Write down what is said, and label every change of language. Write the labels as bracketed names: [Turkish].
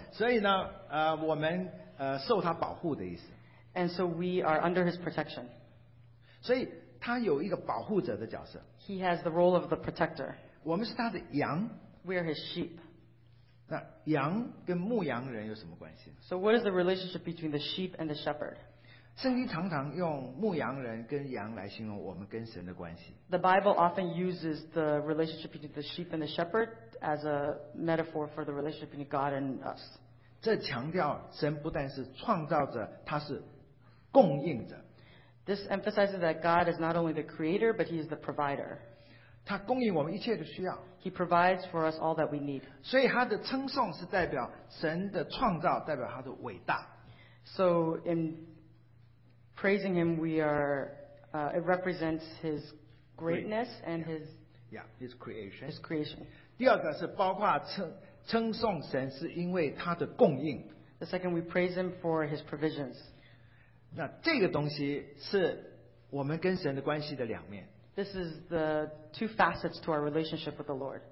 [Chinese] 所以呢，我们受他保护的意思。 [English] And so we are under his protection. [Chinese] 所以他有一个保护者的角色。 [English] He has the role of the protector. [Chinese] 我们是他的羊。 [English] We are his sheep. [Chinese] 那羊跟牧羊人有什么关系？ [English] So what is the relationship between the sheep and the shepherd? [Chinese] 圣经常常用牧羊人跟羊来形容我们跟神的关系。 [English] The Bible often uses the relationship between the sheep and the shepherd as a metaphor for the relationship between God and us. [Chinese] 这强调神不但是创造者，他是供应者。 [English] This emphasizes that God is not only the creator, but he is the provider. [Chinese] 他供应我们一切的需要。 [English] He provides for us all that we need. [Chinese] 所以他的称颂是代表神的创造，代表他的伟大。 [English] So in praising him, we are, it represents his greatness and his, his creation. His creation. [Chinese] 第二个是包括称颂神是因为他的供应。 [English] The second, we praise him for his provisions. [Chinese] 那这个东西是我们跟神的关系的两面。 [English] This is the two facets to our relationship with the Lord.